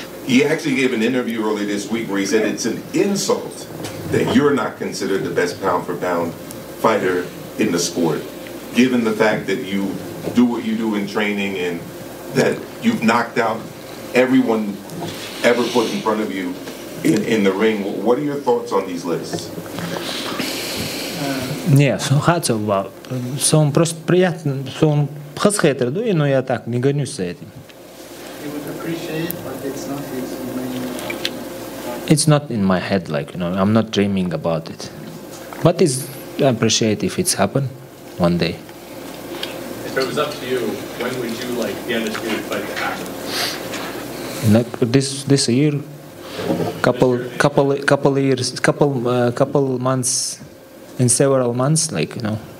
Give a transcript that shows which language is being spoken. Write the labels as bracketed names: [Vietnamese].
[English] He actually gave an interview earlier this week where he said it's an insult that you're not considered the best pound for pound fighter in the sport, given the fact that you do what you do in training and that you've knocked out everyone ever put in front of you in the ring. What are your thoughts on these lists? [Russian] Нет, хочу, сон просто приятный, сон хэсхэтер, да, но я так не гонюсь за этим. [English] It's not in my head, like, you know, I'm not dreaming about it. But I appreciate if it's happened one day. If it was up to you, when would you like the undisputed fight to happen? Like this year, couple months, in several months, like, you know.